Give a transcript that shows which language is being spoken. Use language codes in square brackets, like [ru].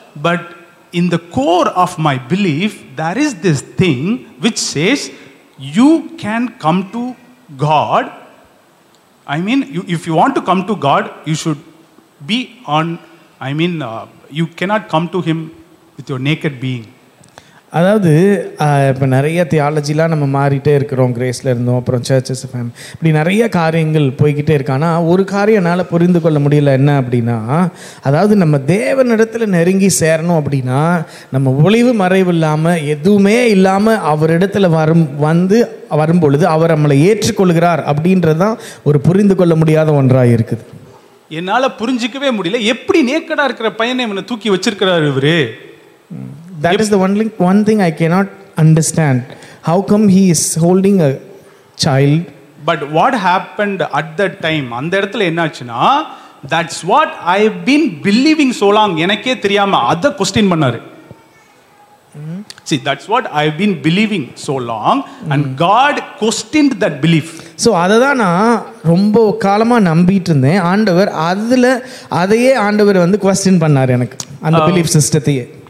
[en] But in the core of my belief, there is this thing which says you can come to God. I mean, if you want to come to God, you should be on, you cannot come to Him with your naked being. [ta] அதாவது இப்போ நிறைய தியாலஜிலாம் நம்ம மாறிட்டே இருக்கிறோம், கிரேஸில் இருந்தோம், அப்புறம் churches family, இப்படி நிறைய காரியங்கள் போய்கிட்டே இருக்கு. ஆனால் ஒரு காரியம் என்னால் புரிந்து கொள்ள முடியல, என்ன அப்படின்னா, அதாவது நம்ம தேவனிடத்தில் நெருங்கி சேரணும் அப்படின்னா, நம்ம ஒளிவு மறைவு இல்லாமல் எதுவுமே இல்லாமல் அவரிடத்துல வரும்பொழுது அவர் நம்மளை ஏற்றுக்கொள்கிறார் அப்படின்றதான் ஒரு புரிந்து கொள்ள முடியாத ஒன்றாக இருக்குது. என்னால் புரிஞ்சிக்கவே முடியல, எப்படி நேக்கடாக இருக்கிற பையனை இவனை தூக்கி வச்சிருக்கிறார் இவர். [en] That is the one thing I cannot understand. How come he is holding a child? But what happened at that time? [ta] அந்த இடத்துல என்னாச்சுன்னா, [en] that's what I have been believing so long. [ta] எனக்கே தெரியாம அத question பண்ணாரு. [en] See, that's what I have been believing so long. And God questioned that belief. [ta] So அதை தான் நான் ரொம்ப காலமாக நம்பிட்டு இருந்தேன். ஆண்டவர் அதில் அதையே ஆண்டவர் வந்து question பண்ணார் எனக்கு, அந்த belief சிஸ்டத்தையே.